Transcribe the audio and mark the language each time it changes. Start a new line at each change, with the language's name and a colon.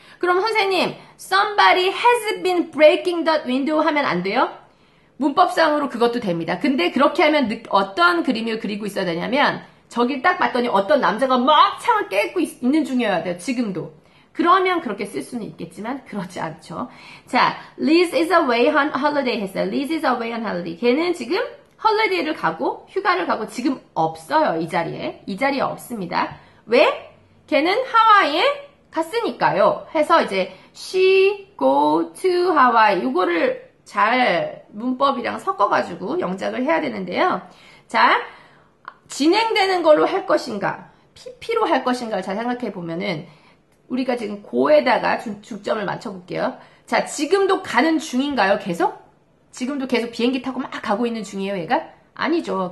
Korean: 그럼 선생님, somebody has been breaking the window 하면 안 돼요? 문법상으로 그것도 됩니다. 근데 그렇게 하면 어떤 그림을 그리고 있어야 되냐면 저길 딱 봤더니 어떤 남자가 막 창을 깨고 있는 중이어야 돼요. 지금도. 그러면 그렇게 쓸 수는 있겠지만 그렇지 않죠.
English: 자, Liz is away on holiday
Korean: 했어요.
English: Liz is away on holiday.
Korean: 걔는 지금 holiday를 가고 휴가를 가고 지금 없어요. 이 자리에. 이 자리에 없습니다. 왜? 걔는 하와이에 갔으니까요. 해서 이제
English: she go to Hawaii.
Korean: 이거를 잘 문법이랑 섞어가지고 영작을 해야 되는데요. 자, 진행되는 걸로 할 것인가? PP로 할 것인가를 잘 생각해 보면은 우리가 지금 고에다가 중점을 맞춰볼게요. 자, 지금도 가는 중인가요? 계속? 지금도 계속 비행기 타고 막 가고 있는 중이에요, 얘가? 아니죠.